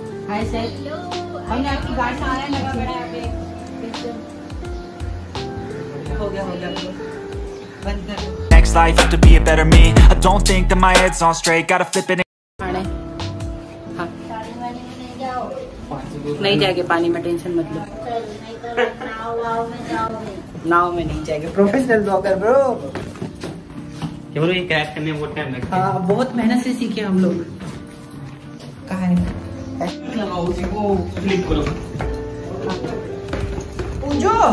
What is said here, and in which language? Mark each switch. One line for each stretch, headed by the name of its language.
Hindi: Hi sir, हमने आपकी गाड़ी से आ रहा है, लगा बड़ा है अभी। हो गया हो गया। बंद कर।
English: Next life to be a better me. I don't think that my head's on straight. Gotta flip it.
Hindi: नहीं जाएंगे पानी में, टेंशन मत लो। नाव में नहीं जाएंगे, प्रोफेशनल ब्लॉगर ब्रो। क्या ब्रो, ये क्रैक करने बहुत टाइम लगता है? हां, बहुत मेहनत से सीखे हम लोग। कहां है पूजो?